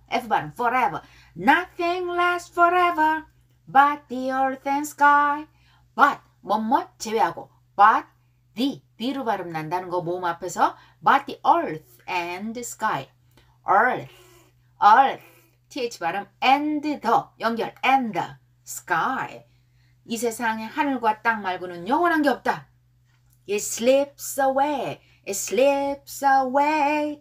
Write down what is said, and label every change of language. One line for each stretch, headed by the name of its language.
English: F 발음 forever. Nothing lasts forever but the earth and sky. But,
Korean: 뭐뭐 제외하고,
English: but the, the로
Korean: 발음 난다는 거 모음 앞에서
English: but the earth and sky. Earth, earth, th 발음 and the, 연결 and the, sky.
Korean: 이 세상에 하늘과 땅 말고는 영원한 게 없다.
English: It slips away, it slips away.